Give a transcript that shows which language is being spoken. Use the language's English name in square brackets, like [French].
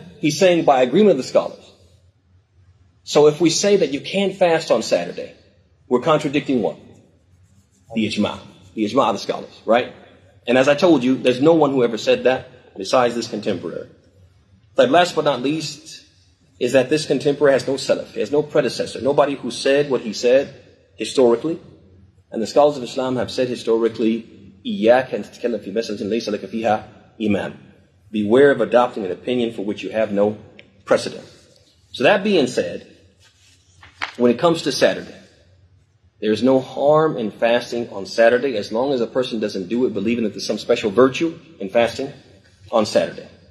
[English] He's saying by agreement of the scholars. So if we say that you can't fast on Saturday, we're contradicting what? The ijma of the scholars, right? And as I told you, there's no one who ever said that besides this contemporary. But last but not least is that this contemporary has no salaf, has no predecessor, nobody who said what he said historically. And the scholars of Islam have said historically, [Arabic] إِيَّاكَ أَن تَتْكَلَّمْ فِي مَسْأَلَةٍ لَيْسَ لَكَ فِيهَا إِمَامٌ. [English] Beware of adopting an opinion for which you have no precedent. So that being said, when it comes to Saturday, there is no harm in fasting on Saturday as long as a person doesn't do it believing that there's some special virtue in fasting on Saturday.